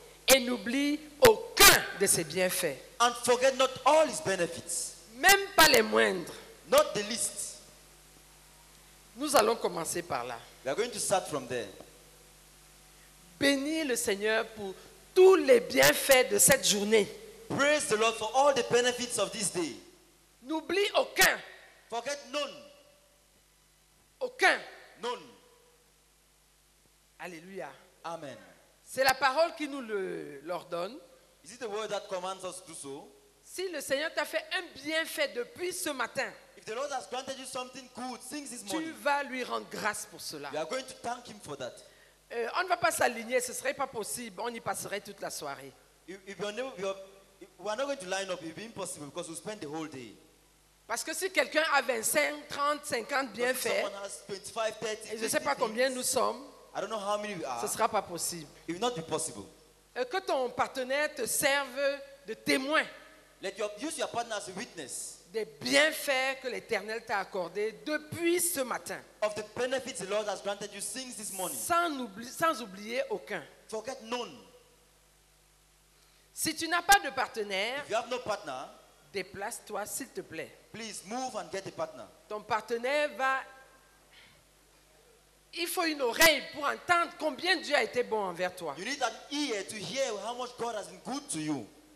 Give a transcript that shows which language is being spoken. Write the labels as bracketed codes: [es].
[fr] et n'oublie aucun de ses bienfaits. [en] And forget not all his benefits. [fr] Même pas les moindres. [en] Not the least. [fr] Nous allons commencer par là. [en] We are going to start from there. [fr] Bénis le Seigneur pour tous les bienfaits de cette journée. [en] Praise the Lord for all the benefits of this day. [fr] N'oublie aucun. [en] Forget none. [fr] Aucun. [en] None. Alléluia. Amen. [fr] C'est la parole qui nous l'ordonne. [en] Is it the word that commands us to do so? [fr] Si le Seigneur t'a fait un bienfait depuis ce matin, [en] if the Lord has granted you something good since this morning, [fr] tu vas lui rendre grâce pour cela. [en] You are going to thank him for that. [fr] On ne va pas s'aligner, ce serait pas possible. On y passerait toute la soirée. [en] We are not going to line up. It would be impossible because we'll spend the whole day. [fr] Parce que si quelqu'un a 25, 30, 50 bienfaits, [en] someone has 25, 30, 30, [fr] et je ne sais pas combien nous sommes, [en] I don't know how many we are, [fr] ce ne sera pas possible. [en] It will not be possible. [fr] Que ton partenaire te serve de témoin. [en] Let use your partner as a witness. [fr] Des bienfaits que l'Éternel t'a accordés depuis ce matin. [en] Of the benefits the Lord has granted you since this morning. [fr] Sans oublier aucun. [en] Forget none. [fr] Si tu n'as pas de partenaire, [en] if you have no partner, [fr] déplace-toi s'il te plaît. [en] Please move and get a partner. [fr] Ton partenaire va. Il faut une oreille pour entendre combien Dieu a été bon envers toi. [en] You need an ear to hear how much God has been good to you.